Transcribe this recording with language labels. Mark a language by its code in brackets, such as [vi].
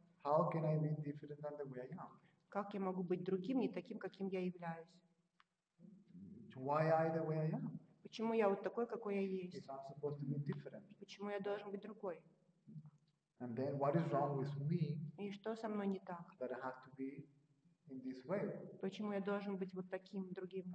[en] How can I be different than the way I am? [ru] Как я могу быть другим, не таким, каким я являюсь? [en] Why I the way I am? [ru] Почему я вот такой, какой я есть? Почему я должен быть другой? [en] And then what is wrong with me, [ru] и что со мной не так? [en] That I have to be in this way? [ru] Почему я должен быть вот таким, другим?